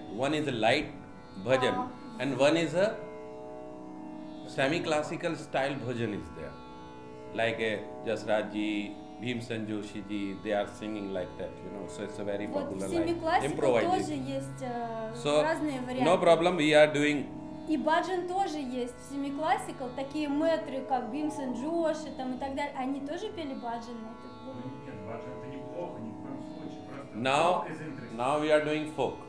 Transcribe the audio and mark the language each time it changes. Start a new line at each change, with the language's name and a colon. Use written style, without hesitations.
English: One is a light bhajan, and one is a semi-classical style bhajan is there. Like Jasraj ji, Bhimsen Joshi ji, they are singing like that, you know. So it's a very popular line. Improvising. So no problem, we are doing.
Russian: И баджан тоже есть в семиклассикал, такие мэтры, как Бимсон Джоши там, и так далее, они тоже пели баджан? Нет, баджан это неплохо, ни в коем случае, просто
English: now, now we are doing folk.